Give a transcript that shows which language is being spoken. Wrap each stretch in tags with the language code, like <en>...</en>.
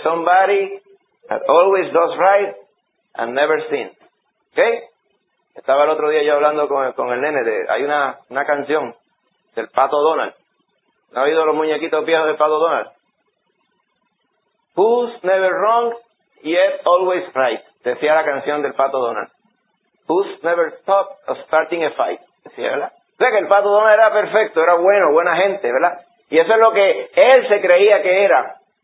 <en>Somebody that always does right and never sin.</en> <es>¿Okay? Estaba el otro día yo hablando con el nene de, hay una canción del Pato Donald. ¿No ha oído los muñequitos viejos del Pato Donald?</es> <en>Who's never wrong, yet always right.</en> <es>Decía la canción del Pato Donald.</es> <en>Who's never stopped of starting a fight.</en> <es>Decía, ¿verdad? O sea que el Pato Donald era perfecto, era bueno, buena gente, ¿verdad? Y eso es lo que él se creía que era.</es>